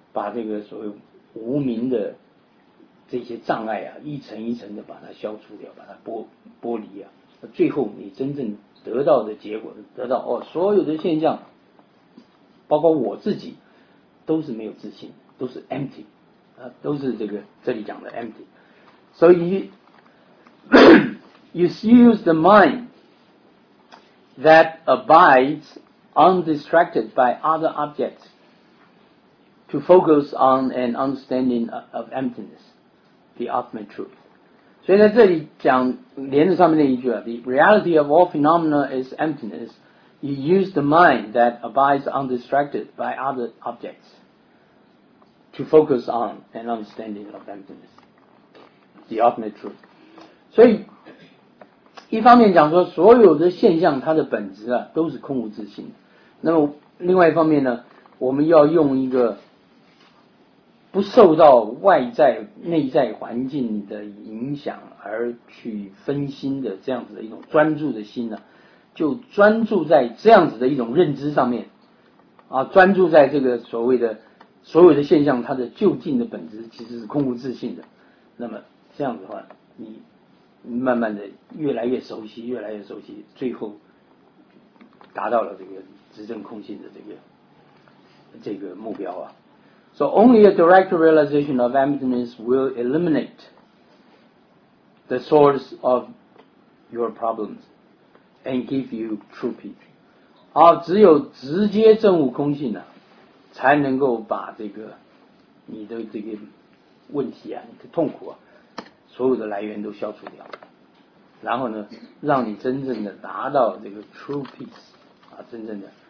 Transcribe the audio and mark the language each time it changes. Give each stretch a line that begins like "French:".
Chinese: 这个所谓无明的这些障碍啊，一层一层的把它消除掉，把它剥离啊，最后你真正得到的结果，得到哦，所有的现象包括我自己都是没有自信，都是 empty 啊，都是这个这里讲的 empty。所以
English: you use the mind that abides undistracted by other objects to focus on an understanding of emptiness, the ultimate truth.
Chinese: 所以在这里讲连着上面那一句啊，
English: the reality of all phenomena is emptiness. You use the mind that abides undistracted by other objects to focus on an understanding of emptiness, the ultimate truth.
Chinese: 所以一方面讲说所有的现象它的本质啊都是空无自性，那么另外一方面呢，我们要用一个不受到外在内在环境的影响而去分心的这样子的一种专注的心呢，就专注在这样子的一种认知上面啊，专注在这个所谓的所有的现象它的究竟的本质其实是空无自性的，那么这样子的话你慢慢的越来越熟悉，越来越熟悉，最后达到了这个直证空性的这个目标啊。
English: So only a direct realization of emptiness will eliminate the source of your problems and give you true peace.
Chinese: 好，只有直接证悟空性啊，才能够把这个你的这个问题啊，你的痛苦啊，所有的来源都消除掉，然后呢让你真正的达到这个
English: true peace
Chinese: 啊，真正的